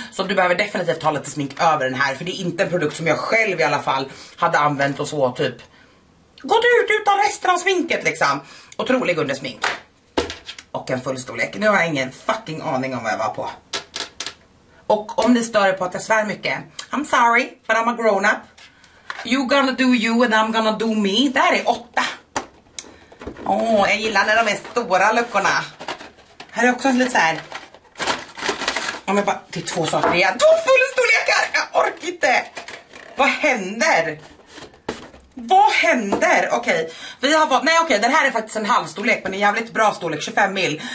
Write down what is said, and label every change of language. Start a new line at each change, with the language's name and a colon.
Swedish: Så du behöver definitivt ta lite smink över den här. För det är inte en produkt som jag själv i alla fall hade använt och så typ. Gått ut utan resten av sminket liksom. Otrolig under smink. Och en full storlek. Nu har jag ingen fucking aning om vad jag var på. Och om ni stör på att jag svär mycket.
English: I'm sorry, but I'm a grown up. You gonna do you and I'm gonna do me.
Swedish: Där är 8. Åh, jag gillar när de är stora luckorna. Här är också lite så här. Om jag bara, det är 2 saker igen. 2 full storlekar, jag orkar inte. Vad händer? Vad händer? Okej, vi har fått, nej okej, den här är faktiskt en halvstorlek, men en jävligt bra storlek, 25 mil.